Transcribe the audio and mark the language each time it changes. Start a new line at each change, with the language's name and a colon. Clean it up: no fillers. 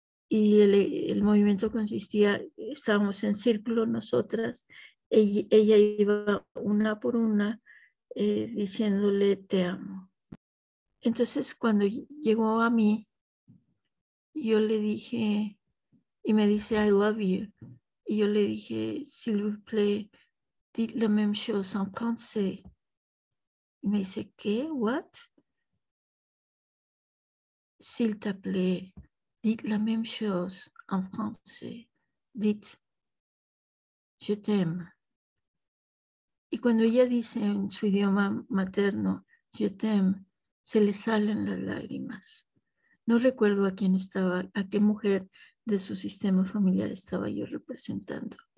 Spanish: Y el movimiento consistía, estábamos en círculo nosotras, ella iba una por una diciéndole te amo. Entonces cuando llegó a mí, yo le dije, y me dice
English: I love you.
Spanish: Y yo le dije,
French: s'il vous plaît, dites la même chose en français.
Spanish: Y me dice, ¿qué?
English: What?
French: S'il te plaît. Dites la même chose en français. Dites, je t'aime.
Spanish: Y cuando ella dice en su idioma materno,
French: je t'aime,
Spanish: se le salen las lágrimas. No recuerdo a qué mujer de su sistema familiar estaba yo representando.